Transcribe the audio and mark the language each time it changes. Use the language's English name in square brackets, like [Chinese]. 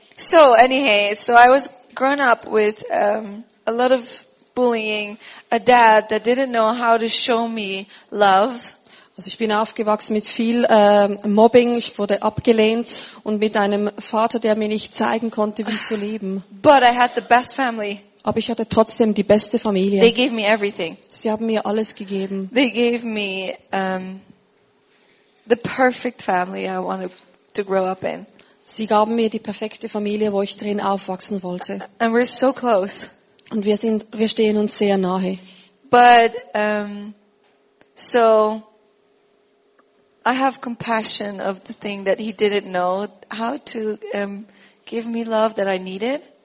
[English] So anyway, so I was grown up with a lot of bullying, a dad that didn't know how to show me love. [German] Also ich bin aufgewachsen mit viel Mobbing, ich wurde abgelehnt und mit einem Vater, der mir nicht zeigen konnte, wie zu leben. [English] But I had the best family. [German] Aber ich hatte trotzdem die beste Familie. [English] They gave me everything. [German] Sie haben mir alles gegeben. [English] They gave me the perfect family I wanted to grow up in. [German] Sie gaben mir die perfekte Familie, wo ich drin aufwachsen wollte. [English] And we're so close. [German] Und wir stehen uns sehr nahe. [English] But so I have compassion of the thing that he didn't know how to give me love that I needed.